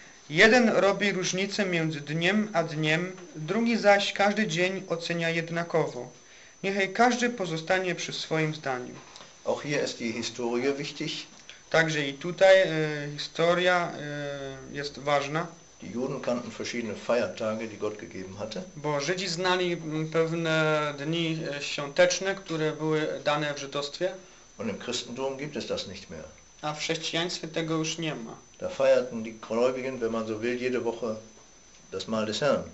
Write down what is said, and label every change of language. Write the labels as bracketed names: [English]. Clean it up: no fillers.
[Polish] Jeden robi różnicę między dniem a dniem, drugi zaś każdy dzień ocenia jednakowo. Niechaj każdy pozostanie przy swoim zdaniu. [German] Auch hier ist die Historie wichtig. [Polish] Także i tutaj historia jest ważna. [German] Die Juden kannten verschiedene Feiertage, die Gott gegeben hatte. [Polish] Bo Żydzi znali pewne dni świąteczne, które były dane w żydostwie. [German] Und im Christentum gibt es das nicht mehr. [Polish] A w chrześcijaństwie tego już nie ma. [German] Da feierten die Gläubigen, wenn man so will, jede Woche das Mahl des Herrn.